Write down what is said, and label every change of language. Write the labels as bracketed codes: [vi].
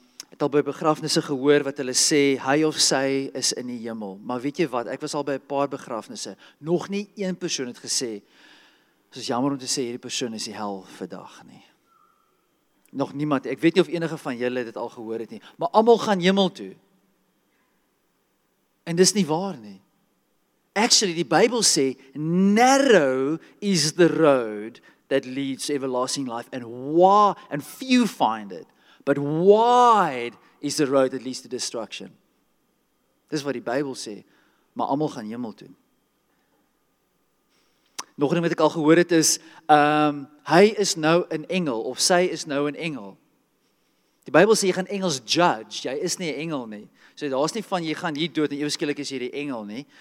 [af] Het al by begrafnisse gehoor, wat hulle sê, hy of sy is in die hemel, maar weet jy wat, ek was al by 'n paar begrafnisse, nog nie een persoon het gesê, soos jammer om te sê, hierdie persoon is die hel vandag nie. Nog niemand, ek weet nie of enige van julle dit al gehoor het nie, maar allemaal gaan hemel toe, en dis nie waar nie, [en] Actually, [af] die Bybel sê, [en] narrow is the road that leads to everlasting life, and few find it, but wide is the road that leads to destruction. [af] Dis wat die Bybel sê, maar almal gaan hemel toe. Nog ding wat ek al gehoor het is, hy is nou een engel, of sy is nou een engel. Die Bybel sê, jy gaan engels judge, jy is nie engel nie. So daar is nie van, jy gaan hier dood, en ewigskielik is hier die engel nie.